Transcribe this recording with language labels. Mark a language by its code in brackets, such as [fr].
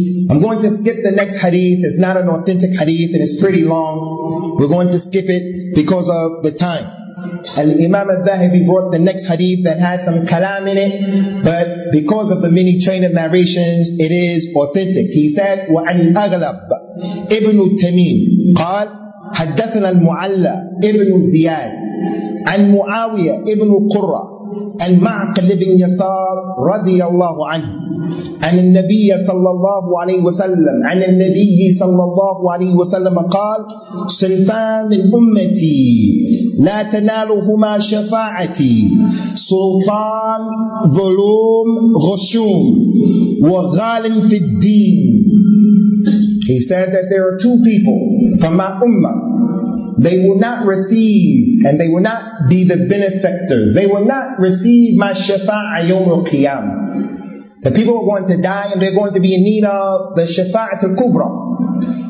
[en] I'm going to skip the next hadith. It's not an authentic hadith and it's pretty long. We're going to skip it because of the time. Al-Imam al-Dhahibi brought the next hadith that has some kalam in it, but because of the many chain of narrations, it is authentic. He said, [ar] وَعَنْ أَغْلَبَ إِبْنُ التَّمِيمِ قَالْ حَدَّثَنَا الْمُعَلَّى إِبْنُ زِيَادِ عَنْ مُعَاوِيَ إِبْنُ قُرَّى عَنْ مَعْقِلِ بِنْ يَسَارِ رَضِيَ اللَّهُ عَنْهُ عن النبي صلى الله عليه وسلم عن النبي صلى الله عليه وسلم قال صنفان من أمتي لا تنالهما شفاعتي سلطان ظلوم غشوم وغالم في الدين. [en] He said that there are two people from my ummah. They will not receive, and they will not be the benefactors. They will not receive my shafa'a yawm al-qiyamah. The people are going to die and they're going to be in need of the Shafa'at al-Kubra.